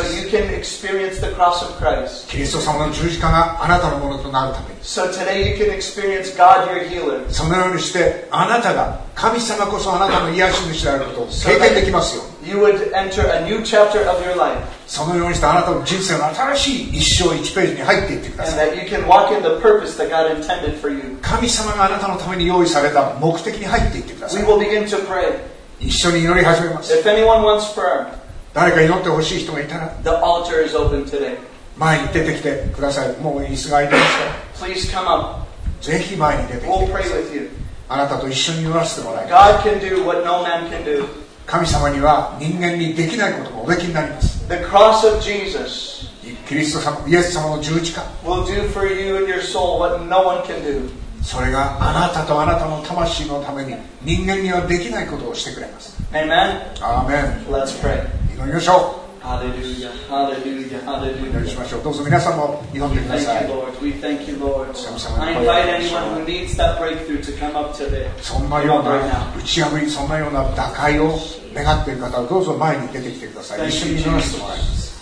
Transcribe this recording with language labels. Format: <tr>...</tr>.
<en>So you can experience the cross of Christ.</en> <ja>キリスト様の十字架があなたのものとなるために。</ja> <en>So today you can experience God your healer.</en> <ja>そのようにしてあなたが神様こそあなたの癒し主であることを経験できますよ。</ja> <en>You would enter a new chapter of your life.</en> <ja>そのようにしてあなたの人生の新しい一章一ページに入っていってください。</ja> <en>And that you can walk in the purpose that God intended for you.</en> <ja>神様があなたのために用意された目的に入っていってください。</ja> <en>We will begin to pray.</en> <ja>一緒に祈り始めます。</ja> <en>If anyone wants prayer,</en> <ja>誰か祈ってほしい人がいたら、</ja> <en>the altar is open today.</en> <ja>前に出てきてください。もう椅子が空いてますから、</ja> <en>Please come up.</en> <ja>ぜひ前に出てきてください。</ja> <en>We'll pray with you.</en> <ja>あなたと一緒に祈らせてもらいます。</ja> <en>God can do what no man can do.</en> <ja>神様には人間にできないことがおできになります。</ja> <en>The cross of Jesus,</en> <ja>キリスト様、イエス様の十字架、</ja> <en>will do for you and your soul what no one can do.</en> <ja>それがあなたとあなたの魂のために人間にはできないことをしてくれます。</ja> <en>Amen. Amen. Let's pray.</en> <ja>祈りましょう。</ja> <en>Hallelujah. Hallelujah. Hallelujah.</en> <ja>祈りしましょう。どうぞ皆さんも祈ってください。</ja> <en>We thank you, Lord. We thank you, Lord. I invite anyone who needs that breakthrough to come up today.</en> <ja>そんなような打ち破り、そんなような打開を願っている方はどうぞ前に出てきてください。一緒に祈らせてもらいます。</ja>